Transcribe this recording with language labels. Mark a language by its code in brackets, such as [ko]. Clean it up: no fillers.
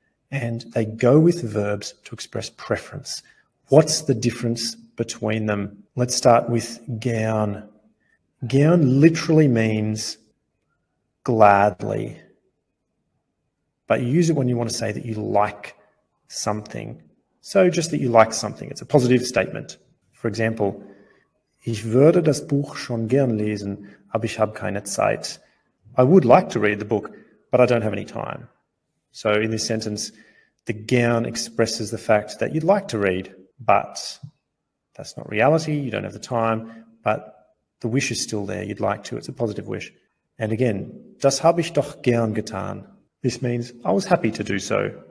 [en] And they go with verbs to express preference. What's the difference between them? Let's start with gern. Gern literally means gladly. But you use it when you want to say that you like something. So just that you like something. It's a positive statement. For example, [de] ich würde das Buch schon gern lesen, aber ich habe keine Zeit. [en] I would like to read the book, but I don't have any time. So in this sentence, the gern expresses the fact that you'd like to read, but that's not reality. You don't have the time, but the wish is still there. You'd like to. It's a positive wish. And again, [de] das habe ich doch gern getan. [en] This means I was happy to do so.